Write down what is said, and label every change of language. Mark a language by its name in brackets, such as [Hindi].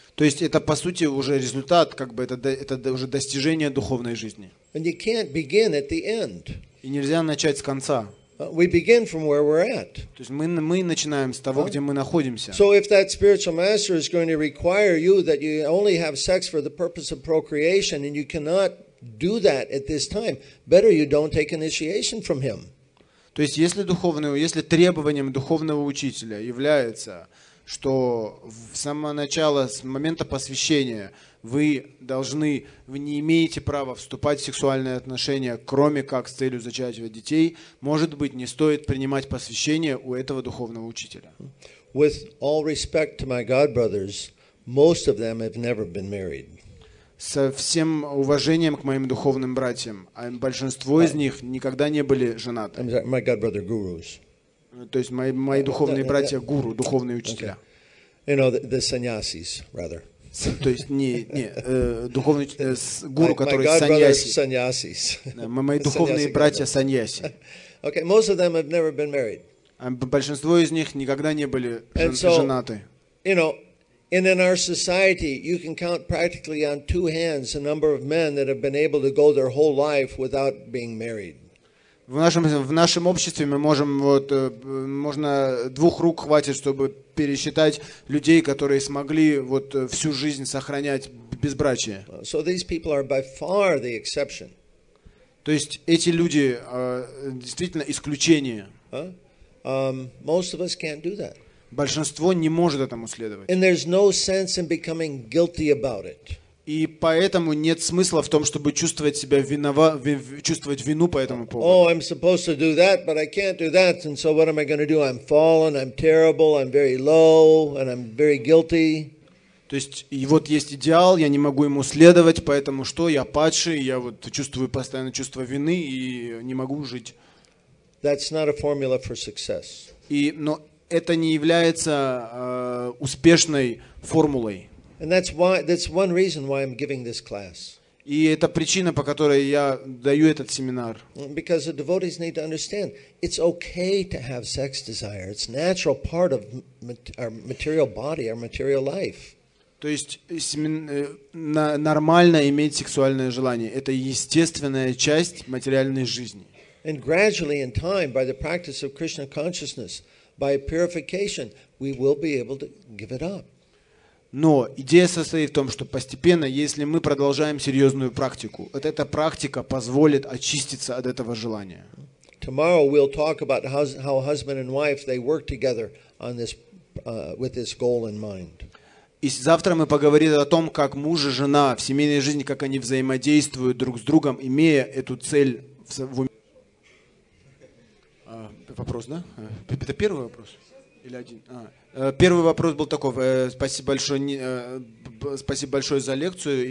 [Russian] То есть это по сути уже результат, как бы это уже достижение духовной жизни. [English] And you can't begin at the end. [Russian] И нельзя начать с конца. [English] We begin from where we're at. [Russian] То есть мы начинаем с того, где мы находимся. [English] So if that spiritual master is going to require you that you only have sex for the purpose of procreation and you cannot do that at this time, better you don't take initiation from him. [Russian] То есть, если требованием духовного учителя является, что с самого начала, с момента посвящения, вы не имеете права вступать в сексуальные отношения, кроме как с целью зачатия детей, может быть, не стоит принимать посвящение у этого духовного учителя. [English] With all respect to my God brothers, most of them have never been married. [Russian] Со всем уважением к моим духовным братьям, а большинство из них никогда не были женаты. [English] I'm sorry, my God brother, gurus. [Russian] То есть мои духовные братья, гуру, духовные учителя. [English] Okay. You know, the sannyasis, rather. [Russian] То есть не духовный гуру, который саньяси. Мои духовные братья саньяси. [English] Okay, most of them have never been married. [Russian] Большинство из них никогда не были женаты. [English] You know, and in our society, you can count practically on two hands the number of men that have been able to go their whole life without being married. [Russian] В нашем обществе мы можем вот можно двух рук хватит, чтобы пересчитать людей, которые смогли вот всю жизнь сохранять безбрачие. [English] So these people are by far the exception. [Russian] То есть эти люди действительно исключение. [English] Most of us can't do that. [Russian] Большинство не может этому следовать. [English] And there's no sense in becoming guilty about it. [Russian] И поэтому нет смысла в том, чтобы чувствовать себя чувствовать вину по этому поводу. [English] Oh, I'm supposed to do that, but I can't do that, and so what am I going to do? I'm fallen, I'm terrible, I'm very low, and I'm very guilty. [Russian] То есть, и вот есть идеал, я не могу ему следовать, поэтому что? Я падший, я вот чувствую постоянно чувство вины и не могу жить. [English] That's not a formula for success. [Russian] Но это не является успешной формулой. [English] And that's one reason why I'm giving this class. [Russian] И это причина, по которой я даю этот семинар. [English] Because the devotees need to understand, it's okay to have sex desire. It's a natural part of our material body, our material life. [Russian] То есть нормально иметь сексуальное желание. Это естественная часть материальной жизни. [English] And gradually, in time, by the practice of Krishna consciousness, by purification, we will be able to give it up. [Russian] Но идея состоит в том, что постепенно, если мы продолжаем серьезную практику, вот эта практика позволит очиститься от этого желания. [English] Tomorrow we'll talk about how husband and wife they work together on this with this goal in mind. [Russian] И завтра мы поговорим о том, как муж и жена в семейной жизни, как они взаимодействуют друг с другом, имея эту цель в уме. Вопрос, да? Это первый вопрос? Или один? Первый вопрос был такой. Спасибо большое за лекцию.